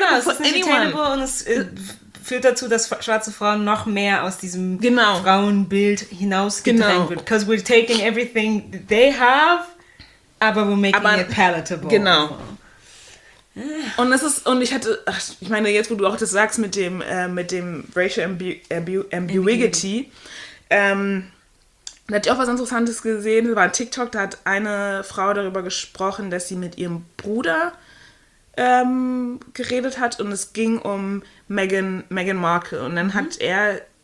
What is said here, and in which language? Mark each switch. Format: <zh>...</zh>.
<de>Es ist nicht</de> <en>attainable</en> <de>für</de> <en>anyone,</en> <de>und es führt dazu, dass schwarze Frauen noch mehr aus diesem Frauenbild hinausgedrängt wird.</de> <en>Because we're taking everything they have,</en> <de>aber</de> <en>we're making it palatable.</en> <de>Genau. Und das ist, und ich hatte, ich meine, jetzt wo du auch das sagst mit dem Racial Ambiguity, da hatte ich auch was Interessantes gesehen, das war ein TikTok, da hat eine Frau darüber gesprochen, dass sie mit ihrem Bruder geredet hat und es ging um Meghan Markle und dann hat er,</de>